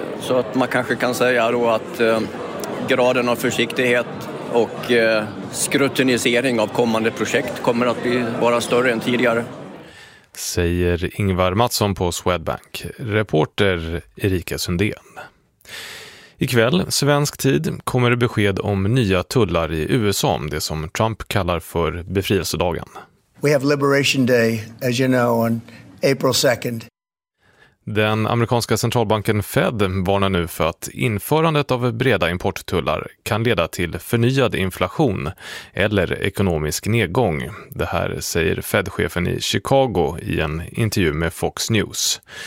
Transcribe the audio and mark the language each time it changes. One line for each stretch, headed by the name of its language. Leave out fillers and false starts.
Swedish: Så att man kanske kan säga då att graden av försiktighet och skrutinisering av kommande projekt kommer att vara större än tidigare. Säger Ingvar Mattsson på Swedbank. Reporter Erika Sundén. Ikväll, svensk tid, kommer det besked om nya tullar i USA, det som Trump kallar för befrielsedagen.
English: We have Liberation Day, as you know, on April 2nd.
Swedish: Den amerikanska centralbanken Fed varnar nu för att införandet av breda importtullar kan leda till förnyad inflation eller ekonomisk nedgång. Det här säger Fed-chefen i Chicago i en intervju med Fox News.